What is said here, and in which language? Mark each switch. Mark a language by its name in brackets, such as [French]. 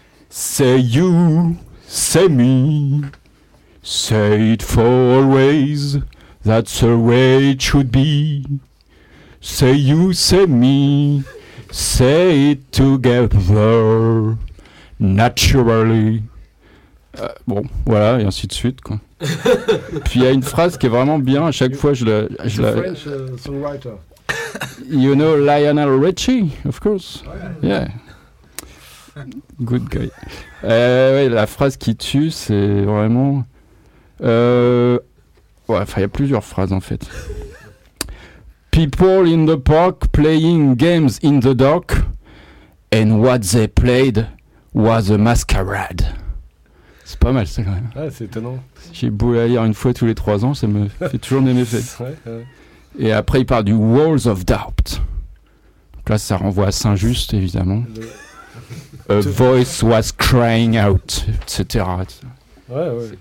[English] Say you, say me, say it for always, that's the way it should be. Say you, say me, say it together, naturally. [French] Bon, voilà, et ainsi de suite, quoi. Puis il y a une phrase qui est vraiment bien, à chaque fois je la... [English] French songwriter. You know Lionel Richie, of course. Oh, yeah. Good guy. [French] La phrase qui tue, c'est vraiment... il y a plusieurs phrases, en fait. [English] People in the park playing games in the dark, and what they played was a masquerade. [French] C'est pas mal, ça, quand même. Ah, c'est étonnant. J'ai beau la lire une fois tous les 3 ans, ça me fait toujours le même effet. Et après, il parle du Walls of Doubt. Donc là, ça renvoie à Saint-Just, évidemment. [English] A voice was crying out, etc. [French] C'est